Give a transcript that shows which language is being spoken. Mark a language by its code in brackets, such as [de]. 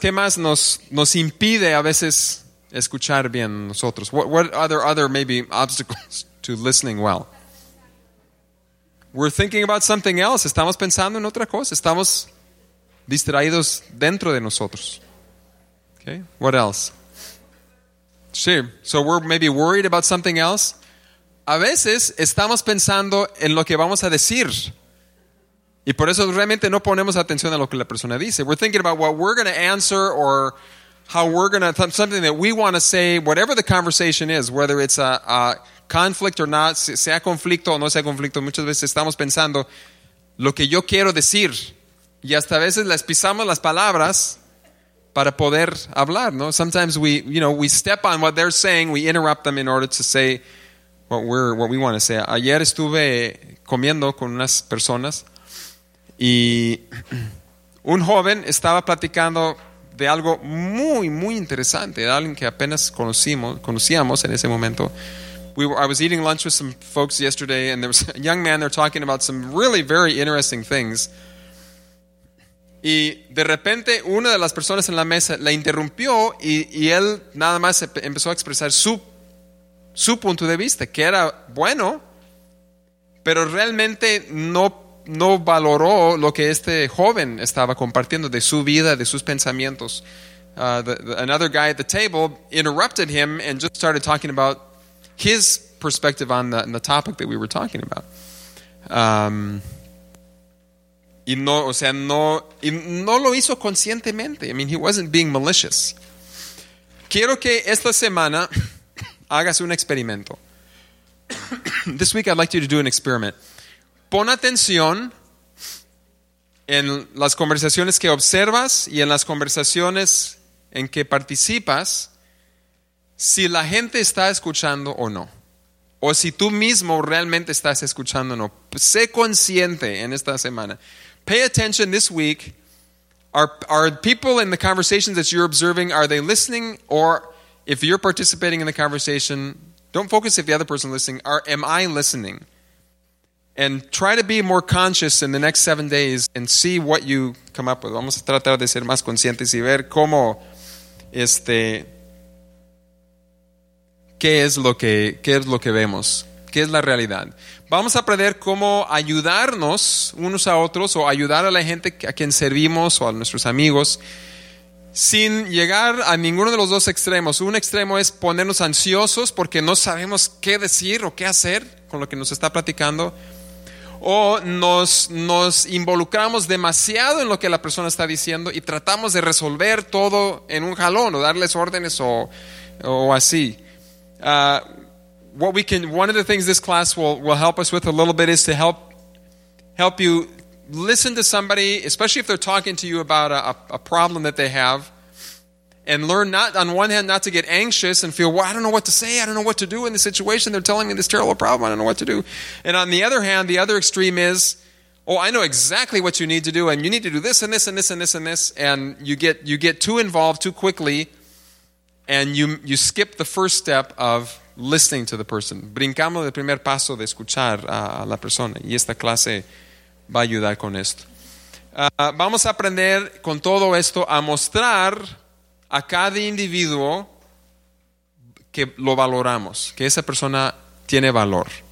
[es] ¿Qué más nos impide a veces escuchar bien nosotros? [en] What are there other maybe obstacles to listening well? We're thinking about something else. [es] Estamos pensando en otra cosa. Estamos distraídos dentro de nosotros. [en] Okay. What else? [es] Sí. [en] So we're maybe worried about something else. [es] A veces estamos pensando en lo que vamos a decir. Y por eso realmente no ponemos atención a lo que la persona dice. [en] We're thinking about what we're going to answer or how we're going to, something that we want to say, whatever the conversation is, whether it's a conflict or not, [es] sea conflicto o no sea conflicto, muchas veces estamos pensando lo que yo quiero decir. Y hasta a veces les pisamos las palabras para poder hablar, ¿no? [en] Sometimes we, you know, we step on what they're saying, we interrupt them in order to say what we want to say. [es] Ayer estuve comiendo con unas personas. Y un joven estaba platicando de algo muy, muy interesante, de alguien que apenas conocíamos en ese momento. [en] I was eating lunch with some folks yesterday, and there was a young man there talking about some really very interesting things. [es] Y de repente, una de las personas en la mesa la interrumpió y él nada más empezó a expresar su punto de vista, que era bueno, pero realmente no valoró lo que este joven estaba compartiendo de su vida, de sus pensamientos. [en] Another guy at the table interrupted him and just started talking about his perspective on the topic that we were talking about. [es] Y no lo hizo conscientemente. [en] I mean, he wasn't being malicious. [es] Quiero que esta semana hagas un experimento. [en] This week I'd like you to do an experiment. [es] Pon atención en las conversaciones que observas y en las conversaciones en que participas, si la gente está escuchando o no. O si tú mismo realmente estás escuchando o no. Sé consciente en esta semana. [en] Pay attention this week. Are people in the conversations that you're observing, are they listening? Or if you're participating in the conversation, don't focus if the other person is listening. Am I listening? And try to be more conscious in the next 7 days and see what you come up with. [es] Vamos a tratar de ser más conscientes y ver cómo qué es lo que vemos, qué es la realidad. Vamos a aprender cómo ayudarnos unos a otros o ayudar a la gente a quien servimos o a nuestros amigos sin llegar a ninguno de los dos extremos. Un extremo es ponernos ansiosos porque no sabemos qué decir o qué hacer con lo que nos está platicando. O nos involucramos demasiado en lo que la persona está diciendo y tratamos de resolver todo en un jalón o darles órdenes o así. [en] One of the things this class will help us with a little bit is to help you listen to somebody, especially if they're talking to you about a problem that they have, and learn not, on one hand, not to get anxious and feel, well, I don't know what to say, I don't know what to do in this situation, they're telling me this terrible problem, I don't know what to do. And on the other hand, the other extreme is, oh, I know exactly what you need to do, and you need to do this and this and this and this and this, and you get too involved too quickly, and you skip the first step of listening to the person. [es] Brincamos el primer paso de escuchar a la persona, y esta clase va a ayudar con esto. Vamos a aprender con todo esto a mostrar a cada individuo que lo valoramos, que esa persona tiene valor.